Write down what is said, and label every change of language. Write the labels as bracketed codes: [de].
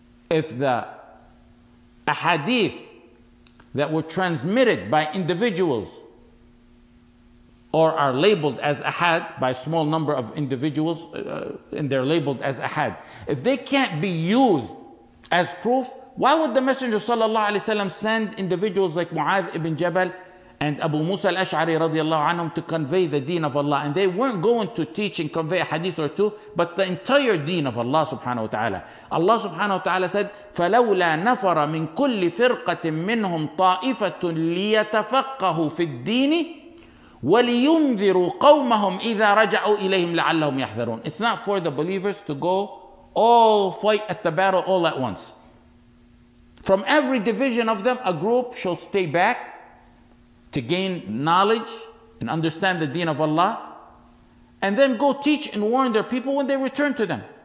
[en] If the ahadith that were transmitted by individuals or are labeled as ahad by a small number of individuals and they're labeled as ahad, if they can't be used as proof, why would the Messenger sallallahu alayhi wa sallam send individuals like Mu'adh ibn Jabal and Abu Musa al-Ash'ari radiallahu anhum to convey the deen of Allah? And they weren't going to teach and convey a hadith or two, but the entire deen of Allah subhanahu wa ta'ala. Allah subhanahu wa ta'ala said, [ar] فَلَوْلَا نَفَرَ مِنْ كُلِّ فِرْقَةٍ مِّنْهُمْ طَائِفَةٌ لِيَتَفَقَّهُ فِي الدِّينِ وَلِيُنذِرُوا قَوْمَهُمْ إِذَا رَجَعُوا إِلَيْهِمْ لَعَلَّهُمْ يَحْذَرُونَ. [en] It's not for the believers to go all fight at the battle all at once. From every division of them, a group shall stay back to gain knowledge and understand the deen of Allah, and then go teach and warn their people when they return to them.